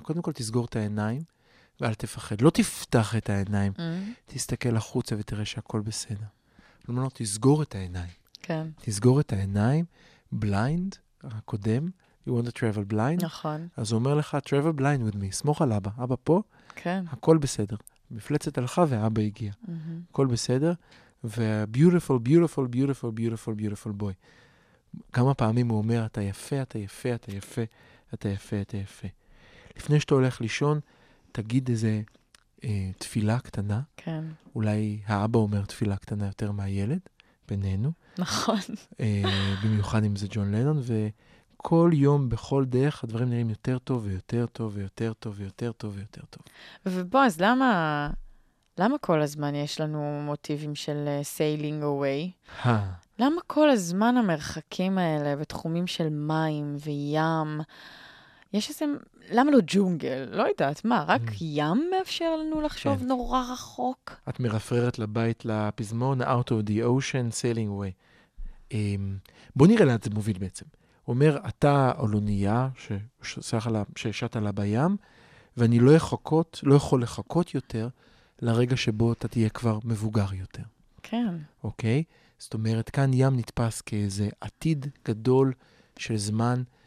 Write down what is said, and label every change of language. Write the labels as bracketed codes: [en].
[he] קודם כל, תסגור את העיניים, ואל תפחד. לא תפתח את העיניים. תסתכל החוצה ותראה שהכל בסדר. כלומר, לא, תסגור את העיניים. כן. תסגור את העיניים, [en] blind, [he] הקודם, [en] You want to travel blind? [he] נכון. אז הוא אומר לך, [en] travel blind with me. [he] סמוך על אבא. אבא פה? כן. הכל בסדר. מפלצת הלכה ואבא הגיע. הכל בסדר. [en] ו-beautiful, beautiful, beautiful, beautiful, beautiful boy. [he] כמה פעמים הוא אומר, אתה יפה, אתה יפה, אתה יפה, אתה יפה, אתה יפה. לפני שאתה הולך לישון, תגיד איזה תפילה קטנה. כן. אולי האבא אומר תפילה קטנה יותר מהילד, בינינו. נכון. במיוחד אם זה ג'ון לנון, ו... כל יום, בכל דרך, הדברים נראים יותר טוב ויותר טוב ויותר טוב ויותר טוב ויותר טוב. ובוא, אז למה, למה כל הזמן יש לנו מוטיבים של [en] sailing away? [he] למה כל הזמן המרחקים האלה בתחומים של מים וים? יש איזה, למה לא ג'ונגל? לא יודעת, מה, רק ים מאפשר לנו לחשוב נורא רחוק? את מרפררת לבית לפזמון, [en] out of the ocean, sailing away. [he] בוא נראה לאן זה מוביל בעצם. הוא אומר, אתה אולונייה ששעת עלה בים, ואני לא יחכות, לא יכול לחכות יותר לרגע שבו אתה תהיה כבר מבוגר יותר. כן. אוקיי? זאת אומרת, כאן ים נתפס כאיזה עתיד גדול של זמן.